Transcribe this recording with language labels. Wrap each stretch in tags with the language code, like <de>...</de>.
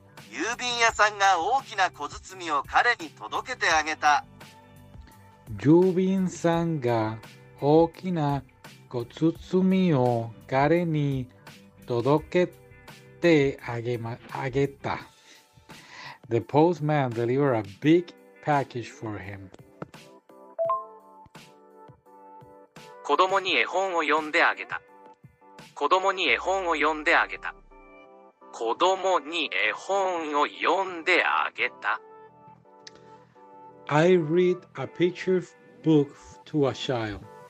<ja>郵便屋さんが大きな小包を彼に届けてあげた。郵便さんが大きな小包を彼に届けてあげた。</ja> <en>The postman delivered a big package for him.</en> <ja>子供に絵本を読んであげた。子供に絵本を読んであげた。子供に絵本を読んであげた。</ja> <en>I read a picture book to a child.</en>